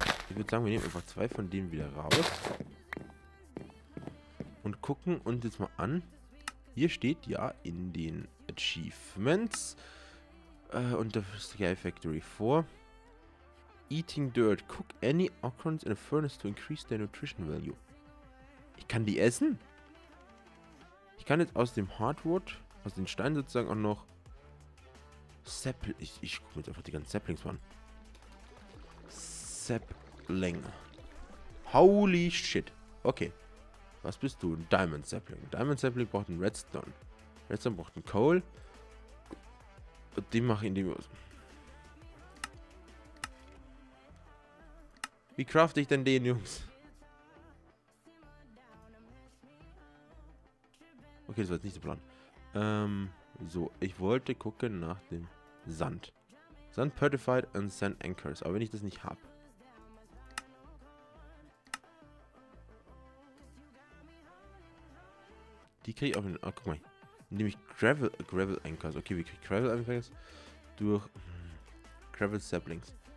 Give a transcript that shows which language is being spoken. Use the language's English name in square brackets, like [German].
[German] Ich würde sagen, wir nehmen einfach zwei von denen wieder raus. Und gucken uns jetzt mal an. Hier steht ja in den Achievements unter Sky Factory 4. [English] Eating dirt. Cook any acorns in a furnace to increase their nutrition value. [German] Ich kann die essen? Ich kann jetzt aus dem Hardwood, aus den Steinen sozusagen auch noch Sapling. Ich gucke mir jetzt einfach die ganzen Saplings an. [English] Sapling. Holy shit. Okay. [German] Was bist du? Ein Diamond Sapling. Diamond Sapling braucht einen Redstone. Redstone braucht einen Coal. Und den mache ich in dem. Wie crafte ich denn den, Jungs? Okay, das war jetzt nicht der Plan. So, ich wollte gucken nach dem Sand. [English] Sand Purified and Sand Anchors. [German] Aber wenn ich das nicht habe. Die kriege ich auch in. Ach, guck mal. Indem ich Gravel Anchors. Okay, wie kriege ich Gravel Anchors? Durch. Gravel Saplings.